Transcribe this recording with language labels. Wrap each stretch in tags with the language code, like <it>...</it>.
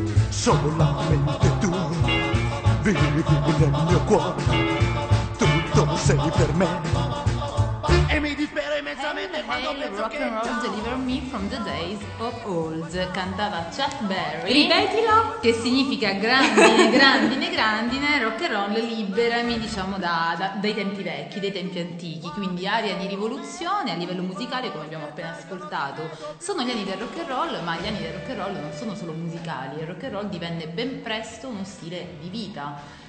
<it>Solamente tu vivi nel mio cuore, tutto sei per me. E mi dispero immensamente quando penso</it> <en>rock and roll deliver me from the days of old,</en> <it>cantava Chuck Berry. Ripetilo! Che significa grandine, grandine, grandine, rock and roll liberami, diciamo, dai tempi vecchi, dai tempi antichi. Quindi aria di rivoluzione a livello musicale, come abbiamo appena ascoltato. Sono gli anni del rock and roll, ma gli anni del rock and roll non sono solo musicali. Il rock and roll divenne ben presto uno stile di vita.</it>